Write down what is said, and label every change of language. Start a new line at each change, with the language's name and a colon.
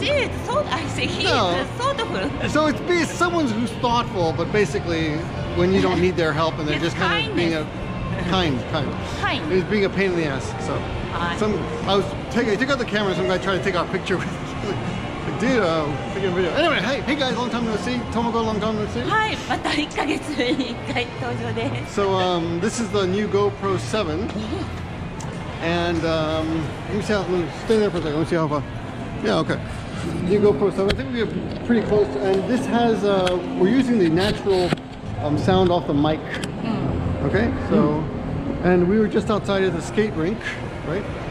English: He's thoughtful. So it's someone who's thoughtful, but basically when you don't need their help and they're just kind of being kind. He's being a pain in the ass. So I took out the camera, some guy tried to take our picture with video. Anyway, hey guys, long time no see. Tomoko, long time no see.
Japanese: Hi, また1ヶ月に1回登場です
English: 。 So, this is the new GoPro 7. And, let me stay there for a second. Let me see how far. Yeah, okay. New GoPro 7. I think we're pretty close. And this has, we're using the natural sound off the mic. Okay, so, and we were just outside of the skate rink, right?